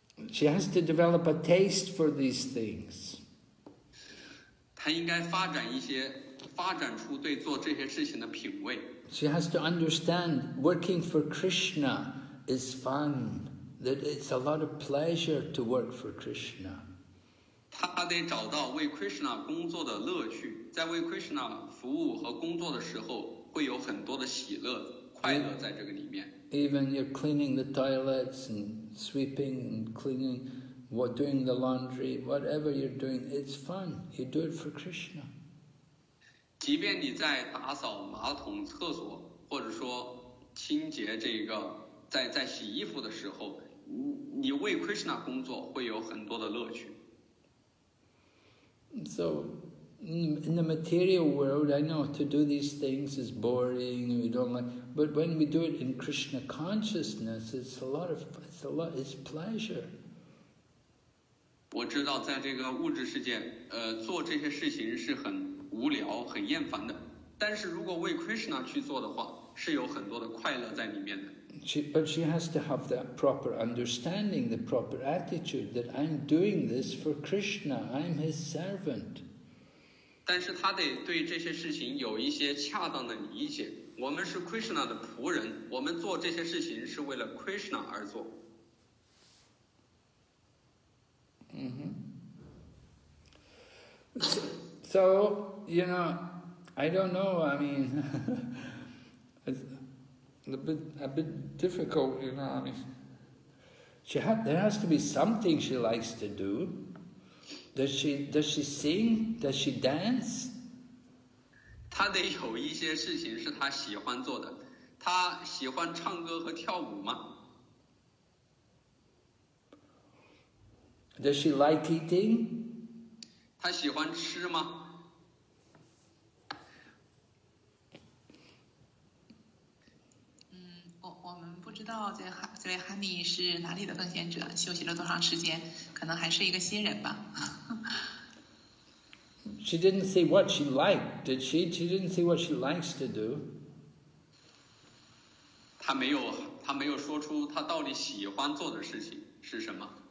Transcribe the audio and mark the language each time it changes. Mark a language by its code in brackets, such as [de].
[en] She has to develop a taste for these things. [zh] 她应该发展一些，发展出对做这些事情的品味。 [en] She has to understand working for Krishna is fun, that it's a lot of pleasure to work for Krishna. [zh] 他得找到为 Krishna 工作的乐趣，在为 Krishna 服务和工作的时候，会有很多的喜乐、快乐在这个里面。 [en] Even you're cleaning the toilets and sweeping and cleaning, what doing the laundry, whatever you're doing, it's fun. You do it for Krishna. [zh] 即便你在打扫马桶、厕所，或者说清洁这个在洗衣服的时候，你为 Krishna 工作会有很多的乐趣。 [en] So, in the material world, I know to do these things is boring, we don't like, but when we do it in Krishna consciousness, it's pleasure. [zh] 我知道在这个物质世界，做这些事情是很无聊，很厌烦的，但是如果为 Krishna 去做的话，是有很多的快乐在里面的。 [en] But she has to have that proper understanding, the proper attitude that I'm doing this for Krishna, I'm his servant. [zh] 但是她得对这些事情有一些恰当的理解。我们是 Krishna 的仆人，我们做这些事情是为了 Krishna 而做。 Mm-hmm. [en] So, you know, I don't know, I mean... A bit difficult, you know. I mean, there has to be something she likes to do. Does she sing? Does she dance? [zh] 他得有一些事情是他喜欢做的。他喜欢唱歌和跳舞吗？ [en] Does she like eating? [zh] 他喜欢吃吗？，我们不知道这位哈米是哪里的奉献者，休息了多长时间，可能还是一个新人吧。 [en] She didn't see what she liked, did she? She didn't see what she likes to do. [zh] 她没有说出她到底喜欢做的事情是什么。